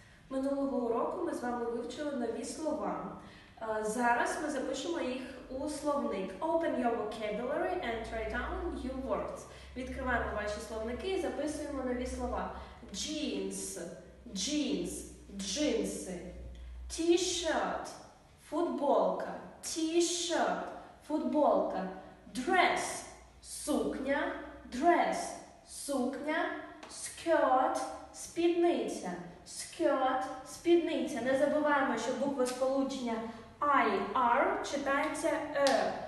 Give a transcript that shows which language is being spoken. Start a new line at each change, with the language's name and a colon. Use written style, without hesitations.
Ukrainian: Минулого уроку ми з вами вивчили нові слова. Зараз ми запишемо їх у словник.
English: Open your vocabulary and write down new words.
Ukrainian: Відкриваємо ваші словники і записуємо нові слова.
English: Jeans, jeans, джинси. T-shirt, футболка. T-shirt, футболка. Dress, сукня. Dress, сукня. Skirt, спідниця. Skirt, спідниця.
Ukrainian: Не забуваємо, що буква сполучення IR читається R.